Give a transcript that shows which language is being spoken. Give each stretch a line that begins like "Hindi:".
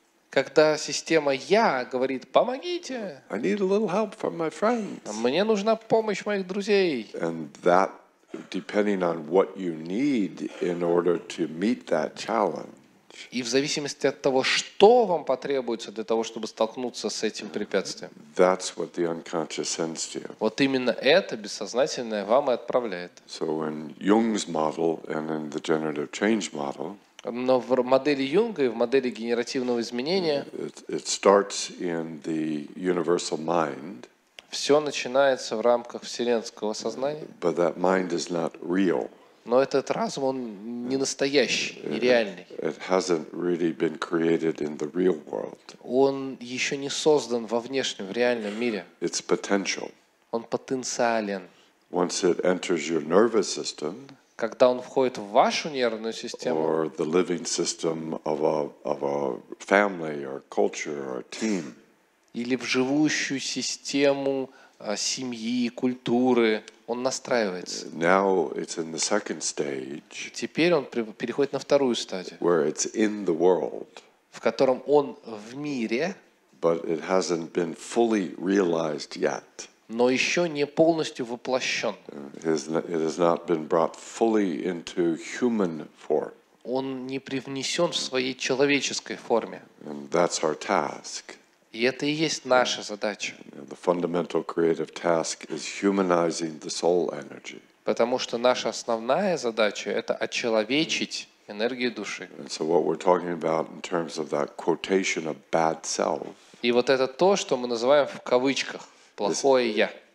Russian: Когда система «Я» говорит «Помогите!»
English: I need a little help from my friends.
Russian: Мне нужна помощь моих друзей.
English: And that, depending on what you need in order to meet that challenge,
Russian: и в зависимости от того, что вам потребуется для того, чтобы столкнуться с этим препятствием,
English: that's what the unconscious sends to you.
Russian: Вот именно это бессознательное вам и отправляет.
English: So in Jung's model and in the generative change model,
Russian: но в модели Юнга и в модели генеративного изменения
English: it starts in the universal mind,
Russian: все начинается в рамках вселенского сознания.
English: But that mind is not real.
Russian: Но этот разум, он не настоящий, нереальный.
English: It hasn't really been created in the real world.
Russian: Он еще не создан во внешнем, в реальном мире.
English: It's potential.
Russian: Он потенциален.
English: Once it enters your nervous system,
Russian: когда он входит в вашу нервную систему,
English: or the living system of a family or culture or team,
Russian: или в живущую систему семьи, культуры, он настраивается.
English: Now it's in the second stage,
Russian: теперь он переходит на вторую стадию,
English: where it's in the world,
Russian: в котором он в мире,
English: but it hasn't been fully realized yet.
Russian: Но еще не полностью воплощен.
English: It has not been brought fully into human form.
Russian: Он не привнесен в своей человеческой форме.
English: And that's our task.
Russian: И это и есть наша задача.
English: The fundamental creative task is humanizing the soul energy.
Russian: Потому что наша основная задача – это очеловечить энергию души.
English: And so what we're talking about in terms of that quotation of bad self,
Russian: и вот это то, что мы называем в кавычках «плохое я».